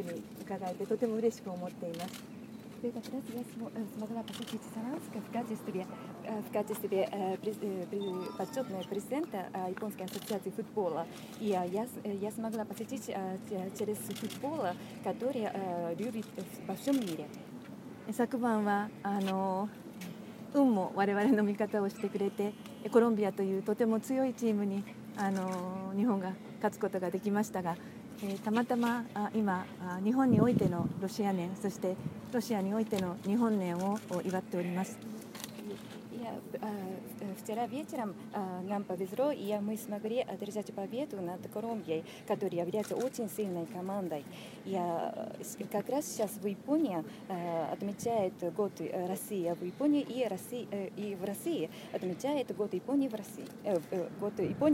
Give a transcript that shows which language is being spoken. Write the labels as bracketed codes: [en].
[ja] この度、サッカーという世界的に皆様から愛していただいているスポーツを通して、サランスクに伺えてとても嬉しく思っています。 [ru] Смогла посетить Саранск в качестве почетного президента Японской ассоциации футбола. И я смогла посетить через футбол, который любит во всем мире. [ja] Сакубанは運も我々の味方をしてくれて、コロンビアというとても強いチームに日本が勝つことができましたが、たまたま今、日本においてのロシア年、そして [ru] Вчера вечером нам повезло, и мы смогли одержать победу над Колумбией, которая является очень сильной командой. Как раз сейчас в Японии отмечает год России в Японии, и в России отмечает год Японии в России.